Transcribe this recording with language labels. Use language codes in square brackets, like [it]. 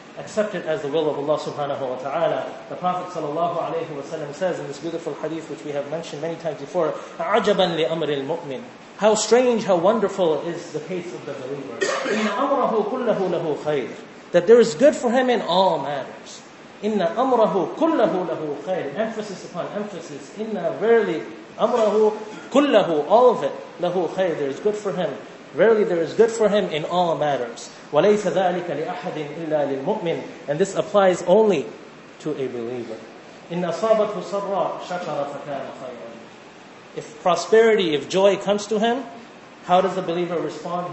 [en] accept it as the will of Allah subhanahu wa ta'ala. The Prophet sallallahu alayhi wa sallam says in this beautiful hadith which we have mentioned many times before, [ar] عَجَبًا لِأَمْرِ الْمُؤْمِنِ. [en] How strange, how wonderful is the case of the believer. [ar] إِنَّ أَمْرَهُ كُلَّهُ لَهُ خَيْرٍ. [en] That there is good for him in all matters. [ar] إِنَّ أَمْرَهُ كُلَّهُ لَهُ خَيْرٍ. [en] Emphasis upon emphasis. [ar] إِنَّ [en] verily [ar] أَمْرَهُ كُلَّهُ, [en] all of it, [ar] لَهُ خَيْرٍ. [en] There is good for him. Verily there is good for him in all matters. [ar] وَلَيْسَ ذَٰلِكَ لِأَحَدٍ إِلَّا لِلْمُؤْمِنِ. [en] And this applies only to a believer. [ar] إِنَّ أَصَابَتْهُ صَرَّا شَكَرَ فَكَانَ خَيْرًا. [en] If prosperity, if joy comes to him, how does the believer respond?